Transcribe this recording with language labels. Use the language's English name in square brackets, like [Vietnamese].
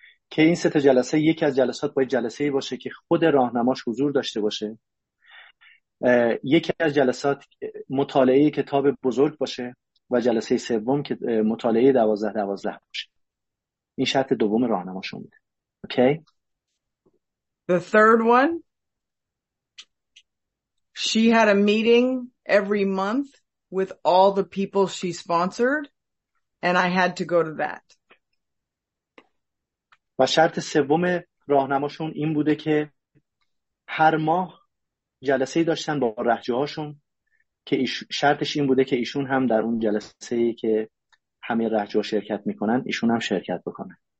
[Persian] که این 3 تا جلسه یکی از جلسات باید جلسه ای باشه که خود راهنماش حضور داشته باشه. یکی از جلسات مطالعه کتاب بزرگ باشه و جلسه سوم که مطالعه 12-12 باشه. این شرط دوم راهنماشون بوده. [English] Okay. The third one, she had a meeting every month with all the people she sponsored and I had to go to that. [Persian] و شرط سوم راهنماشون این بوده که هر ماه جلسه‌ای داشتن با رهجوهاشون که شرطش این بوده که ایشون هم در اون جلسه‌ای که همه رهجوها شرکت میکنن ایشون هم شرکت بکنن.